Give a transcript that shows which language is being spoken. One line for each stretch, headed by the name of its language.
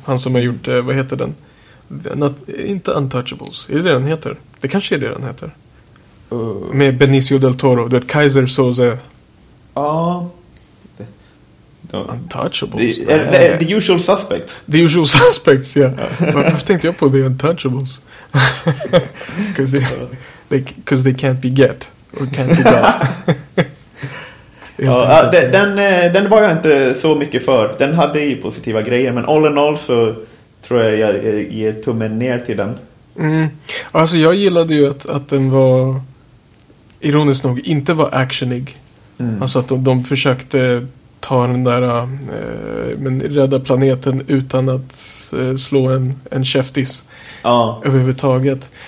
Swedish: Han som har gjort, vad heter den? Inte Untouchables. Är det den heter? Det kanske är det den heter. Med Benicio del Toro, det är Kaiser Soze. Ja. Untouchables.
English: The Usual Suspects.
Swedish: The Usual Suspects, ja. Varför tänkte jag på The Untouchables?
English: Because they can't be get or can't be got.
Swedish: den var jag inte så mycket för. Den hade ju positiva grejer, men
English: all in all
Swedish: så tror jag ger tummen ner till den. Mm. Alltså jag gillade ju att den var, ironiskt nog, inte var actionig. Mm. Alltså att de försökte ta den där rädda planeten utan att slå en käftis överhuvudtaget.